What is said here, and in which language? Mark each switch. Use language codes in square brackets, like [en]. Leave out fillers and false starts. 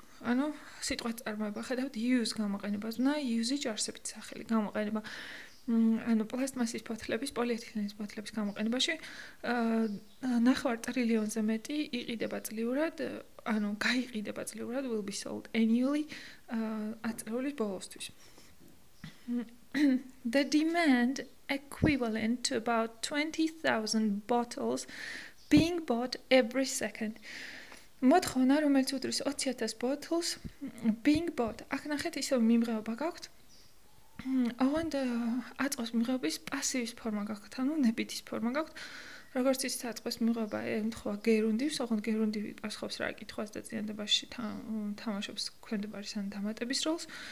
[ka] ანუ სიტყვა წარმოება, ხედავთ, use გამოყენება, ზნა, usage არსებითი სახელი, გამოყენება. ანუ პლასტმასის ბოთლების, პოლიეთილენის ბოთლების გამოყენებაში 9 ტრილიონზე მეტი იყიდება წლიურად, ანუ გაიყიდება წლიურად, [en] will be sold annually [ka] ათწლეულის ბოლოსთვის. [en] The demand equivalent to about 20,000 bottles being bought every second. [ka] მოთხოვნა, რომელიც უდრის 20,000 ბოთლს, [en] being bought. [ka] აქ ნახეთ, ისევ მიმღეობა გაქვთ. ოღონდ აწყოს მიმღეობის პასივის ფორმა გაქვთ, ანუ ნებითის ფორმა გაქვთ. როგორც ის აწყოს მიმღეობა ემთხვა გერუნდივს, ოღონდ გერუნდივი პასხობს რა კითხვას და წინადებაში თამაშობს ქვემდებარის ან დამატების როლს.